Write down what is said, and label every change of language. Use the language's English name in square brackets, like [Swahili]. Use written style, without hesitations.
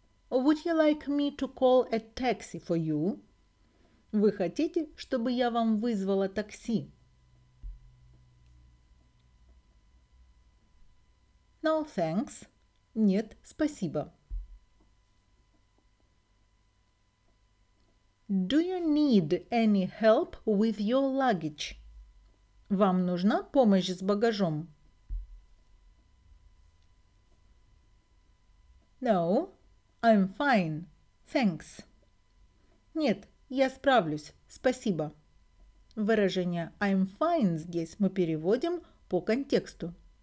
[English] Would you like me to call a taxi for you? [Russian] Вы хотите, чтобы я вам вызвала такси? [English] No, thanks. [Russian] Нет, спасибо. [English] Do you need any help with your luggage? [Russian] Вам нужна помощь с багажом? [English] No, I'm fine. Thanks. [Russian] Нет, я справлюсь. Спасибо. Выражение I'm fine здесь мы переводим по контексту.